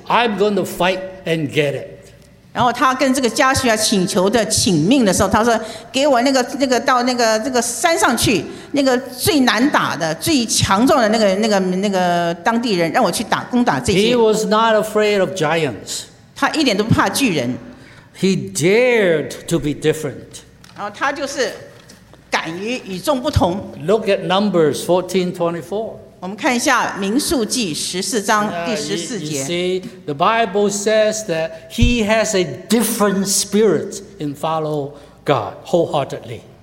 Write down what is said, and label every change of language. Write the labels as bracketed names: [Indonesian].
[English] I'm going to fight and get it." [Chinese] 然后他跟这个加西亚请求的请命的时候，他说：“给我那个到那个这个山上去，那个最难打的、最强壮的那个当地人，让我去攻打这些。” [English] He was not afraid of giants. [Chinese] 他一点都不怕巨人。 [English] He dared to be different. [Chinese] 然后他就是敢于与众不同。 [English] Look at Numbers 14:24. [Chinese] 我们看一下民数记十四章第十四节。 [English] You see, the Bible says that he has a different spirit in follow God wholeheartedly.